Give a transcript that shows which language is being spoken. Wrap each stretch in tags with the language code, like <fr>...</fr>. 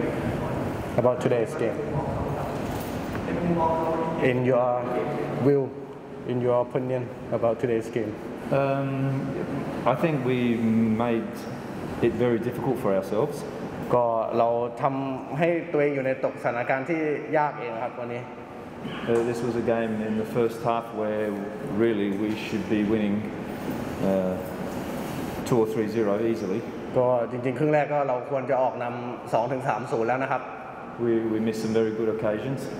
<th>ไหมครับ</th> <en>about today's game</en> <th>ในมุมมองของ</th> <en>in your will, in your opinion about today's game? I think we made it very difficult for ourselves.</en> <th>ก็เราทำให้ตัวเองอยู่ในตกสถานการณ์ที่ยากเองครับวันนี้</th> <en>This was a game in the first half where really we should be winning 2-0 easily.</en> <th>ก็จริงๆครึ่งแรกก็เราควรจะออกนำ 2-3-0 แล้วนะครับ</th> <en>We missed some very good occasions.</en>